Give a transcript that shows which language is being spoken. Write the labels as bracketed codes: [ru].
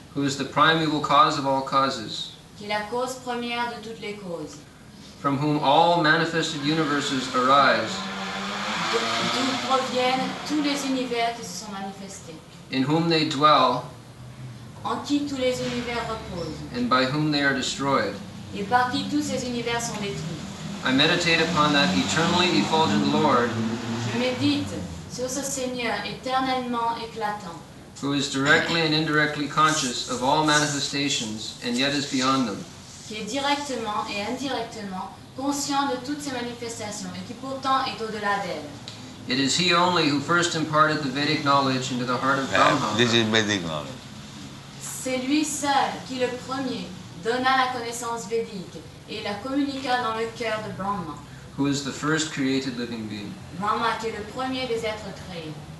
[en] Who is the primeval cause of all causes? [fr] Qui est la cause première de toutes les causes. [en] From whom all manifested universes arise. [fr] D'où proviennent tous les univers qui se sont manifestés. [en] In whom they dwell. [fr] En qui tous les univers reposent. [en] And by whom they are destroyed. [fr] Et par qui tous ces univers sont détruits. [en] I meditate upon that eternally effulgent Lord. [fr] Je médite sur ce Seigneur éternellement éclatant. [en] Who is directly and indirectly conscious of all manifestations and yet is beyond them. [fr] Qui est directement et indirectement conscient de toutes ces manifestations et qui pourtant est au-delà d'elles. [en] It is he only who first imparted the Vedic knowledge into the heart of Brahma. This is Vedic knowledge. [fr] C'est lui seul qui le premier donna la connaissance védique. Et la communiqua dans le cœur de Brahma. [en] Who is the first created living being? [fr] Brahma qui est le premier des êtres créés.